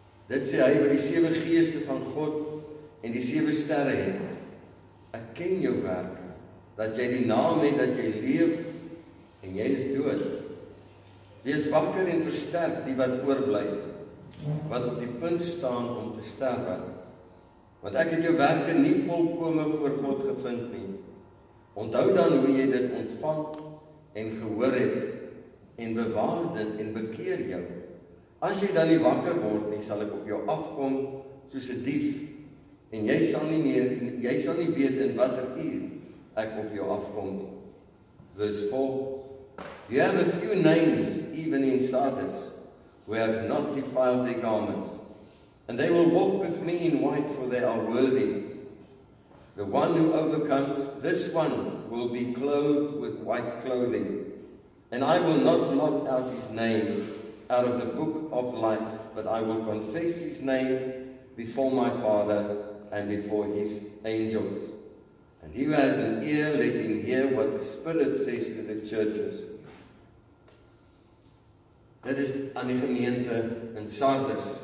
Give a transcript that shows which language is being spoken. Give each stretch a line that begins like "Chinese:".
Afrikaans: Dit sê hy wat die sewe geeste van God en die sewe sterre het. Ek ken jou werk, dat jy die naam het, dat jy leef en jy is dood. Wees wakker en versterk die wat oorblij, wat op die punt staan om te sterwe. Want ek het jou werke nie volkome voor God gevind nie. Onthou dan hoe jy dit ontvang en gehoor het en bewaar dit en bekeer jou. As jy dan nie wakker word nie, sal ek op jou afkom soos 'n dief en jy sal nie weet in watter uur ek op jou afkom nie.
English: Verse 4. You have a few names even in Sardis who have not defiled their garments and they will walk with me in white for they are worthy. The one who overcomes, this one will be clothed with white clothing. And I will not blot out his name out of the book of life, but I will confess his name before my Father and before his angels. And he who has an ear, let him hear what the Spirit says to the churches.
Afrikaans: Dit is aan die gemeente in Sardis.